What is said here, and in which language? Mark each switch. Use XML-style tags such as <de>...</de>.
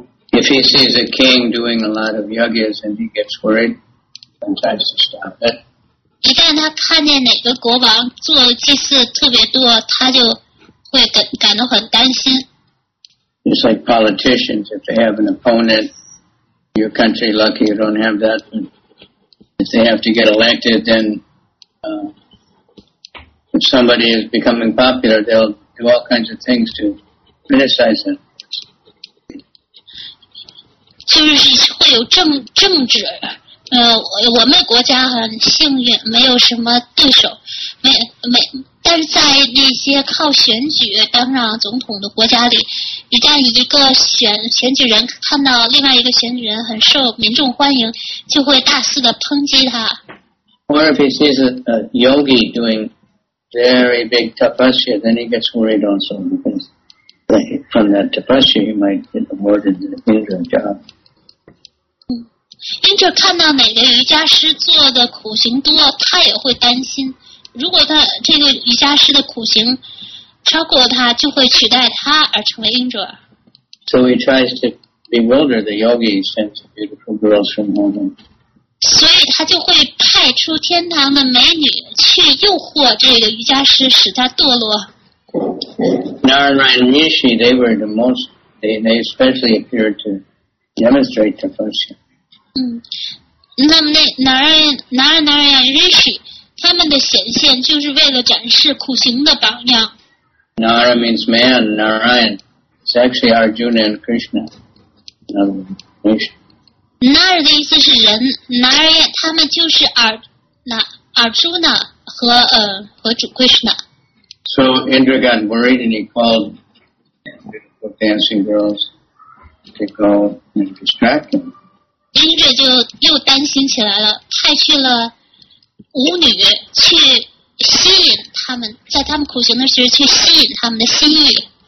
<en>If he sees a king doing a lot of yagyas and he gets worried and tries to stop it,</en> <zh>一旦他看见哪个国王做祭祀特别多，他就会感到很担心。</zh> <en>It's like politicians, if they have an opponent, your country lucky you don't have that. If they have to get elected, then if somebody is becoming popular, they'll do all kinds of things to criticize them.</en> <zh>就是会有政治。我们国家很幸运，没有什么对手，没。但是在那些靠选举当上总统的国家里，一旦一个选举人看到另外一个选举人很受民众欢迎，就会大肆的抨击他。</zh> <en>Or if he sees a yogi doing very big tapasya, then he gets worried also because from that tapasya he might get awarded the Indra job.</en> <zh>Indra 看到哪个瑜伽师做的苦行多，他也会担心。如果他这个瑜伽师的苦行超过他，就会取代他而成为 Indra。</zh> <en>So he tries to bewilder the yogi, sends beautiful girls from home.</en> <zh>所以他就会派出天堂的美女去诱惑这个瑜伽师，使他堕落。</zh> <en>Narayan Rishi, they were the most, they especially appeared to demonstrate the function.</en> <zh>那么那Narayan Rishi, 他们的显现就是为了展示苦行的榜样。</zh> <en>Nara means man, Narayan. It's actually Arjuna and Krishna.</en> <zh>Nara 的意思是人, Narayan, 他们就是Arjuna和主 Krishna.</zh> <en>So Indra got worried and he called the dancing girls to go and distract him.</en> <zh>Indra 就又担心起来了，派去了舞女去吸引他们，在他们苦行的时候去吸引他们的心欲。</zh>